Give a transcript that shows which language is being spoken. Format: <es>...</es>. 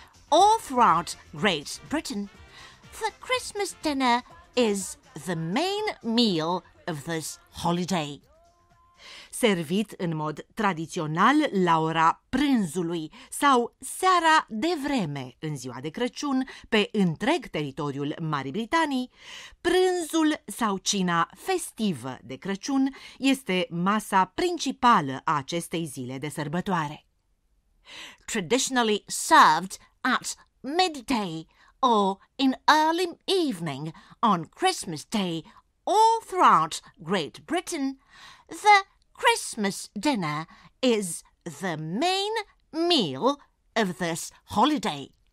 <en>All throughout Great Britain, the Christmas dinner is the main meal of this holiday.</en> <ro>Servit în mod tradițional la ora prânzului sau seara de vreme în ziua de Crăciun pe întreg teritoriul Marii Britanii, prânzul sau cina festivă de Crăciun este masa principală a acestei zile de sărbătoare.</ro> <en>Traditionally served at midday or in early evening on Christmas Day all throughout Great Britain, the Christmas dinner is the main meal of this holiday.</en>